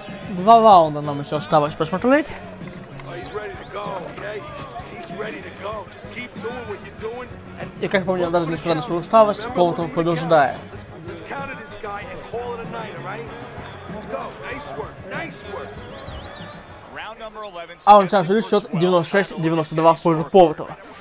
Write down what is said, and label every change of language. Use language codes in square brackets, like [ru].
[ru] Два раунда нам еще осталось посмотреть. [en] He's ready to go, okay? He's ready to go. Just keep doing what you're doing. [ru] И как по мне, даже несмотря на свою усталость, Повотов побеждает. [en] Let's count this guy and call it a night, alright? Let's go. Nice work. Nice work. [ru] А он сейчас ведет счет 96-92 в пользу Повотова.